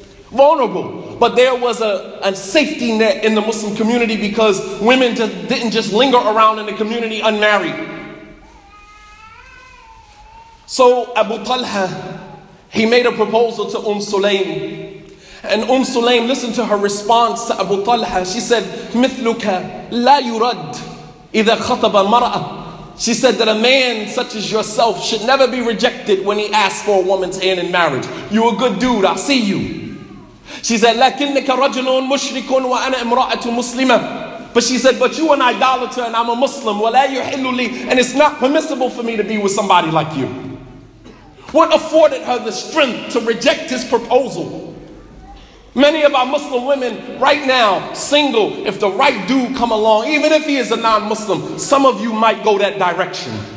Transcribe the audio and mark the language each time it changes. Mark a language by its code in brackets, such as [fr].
[en] Vulnerable, but there was a safety net in the Muslim community because women didn't just linger around in the community unmarried. So Abu Talha, he made a proposal to Sulaym. And Sulaym listened to her response to Abu Talha. She said, [ar] مِثْلُكَ لَا يُرَدْ إِذَا خَطَبَ مَرَأَ. [en] She said that a man such as yourself should never be rejected when he asks for a woman's hand in marriage. You a good dude, I see you. She said, [ar] لَكِنَّكَ رَجُلٌ مُشْرِكٌ وَأَنَا إِمْرَأَةُ مُسْلِمًا. [en] But she said, but you an idolater and I'm a Muslim. [ar] وَلَا يُحِلُّ لِي. [en] And it's not permissible for me to be with somebody like you. What afforded her the strength to reject his proposal? Many of our Muslim women right now, single, if the right dude come along, even if he is a non-Muslim, some of you might go that direction.